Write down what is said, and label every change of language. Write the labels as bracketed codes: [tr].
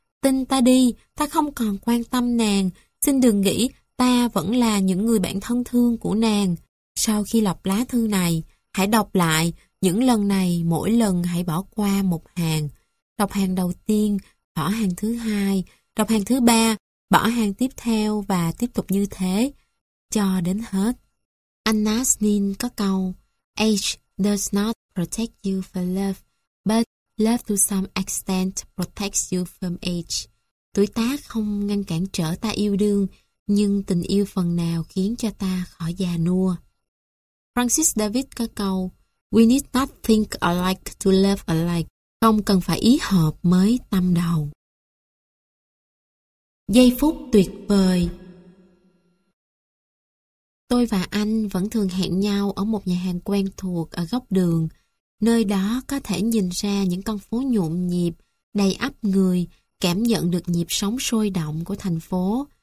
[vi] Tin ta đi, ta không còn quan tâm nàng. Xin đừng nghĩ ta vẫn là những người bạn thân thương của nàng. Sau khi lọc lá thư này, hãy đọc lại. Những lần này, mỗi lần hãy bỏ qua một hàng. Đọc hàng đầu tiên, bỏ hàng thứ hai. Đọc hàng thứ ba, bỏ hàng tiếp theo và tiếp tục như thế. Cho đến hết. [en] Anna Snin [vi] có câu: [en] Age does not protect you for love, but love to some extent protects you from age. [vi] Tuổi tác không ngăn cản trở ta yêu đương, nhưng tình yêu phần nào khiến cho ta khỏi già nua. [en] Francis David [vi] có câu: [en] We need not think alike to love alike. [vi] Không cần phải ý hợp mới tâm đầu. Giây phút tuyệt vời. Tôi và anh vẫn thường hẹn nhau ở một nhà hàng quen thuộc ở góc đường. Nơi đó có thể nhìn ra những con phố nhộn nhịp, đầy ắp người, cảm nhận được nhịp sống sôi động của thành phố.